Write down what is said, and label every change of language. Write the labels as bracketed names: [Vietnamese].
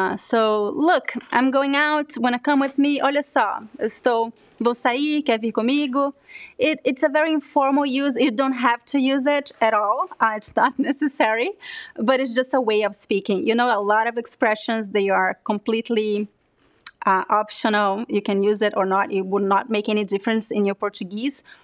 [English] So, look, I'm going out, wanna come with me? [Portuguese] Olha só, estou, vou sair, quer vir comigo? [English] It's a very informal use, you don't have to use it at all, it's not necessary, but it's just a way of speaking. You know, a lot of expressions, they are completely optional. You can use it or not. It will not make any difference in your Portuguese.